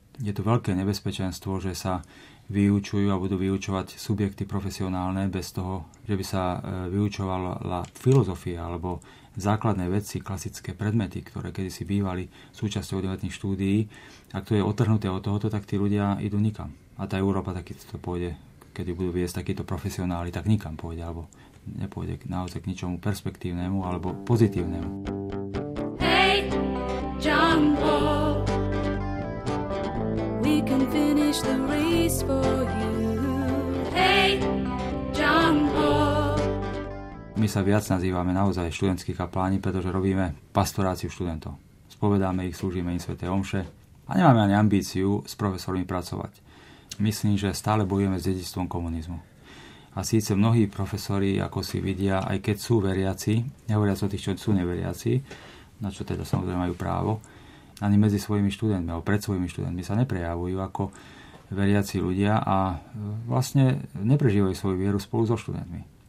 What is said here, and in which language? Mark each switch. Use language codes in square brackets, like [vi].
[sk] Je tu veľké nebezpečenstvo, že sa vyučujú a budú vyučovať subjekty profesionálne bez toho, že by sa vyučovala filozofia alebo základné veci, klasické predmety, ktoré kedysi bývali súčasťou univerzitných štúdií. Ak to je otrhnuté od tohoto, tak tí ľudia idú nikam. A tá Európa takýto pôjde, keď budú viesť takýto profesionáli, tak nikam pôjde, alebo nepôjde naozaj k ničomu perspektívnemu alebo pozitívnemu. [en] Hey, John Paul, we can finish the race for you. Hey, John Paul. [sk] My sa viac nazývame naozaj študentskí kapláni, pretože robíme pastoráciu študentov. Spovedáme ich, slúžime im sväté omše a nemáme ani ambíciu s profesormi pracovať. Myslím, že stále bojujeme s dedičstvom komunizmu. A síce mnohí profesori, ako si vidia, aj keď sú veriaci, nehovoriac o tých, čo sú neveriaci, na čo teda samozrejme majú právo, ani medzi svojimi študentmi alebo pred svojimi študentmi sa neprejavujú ako veriaci ľudia a vlastne neprežívajú svoju vieru spolu so študentmi.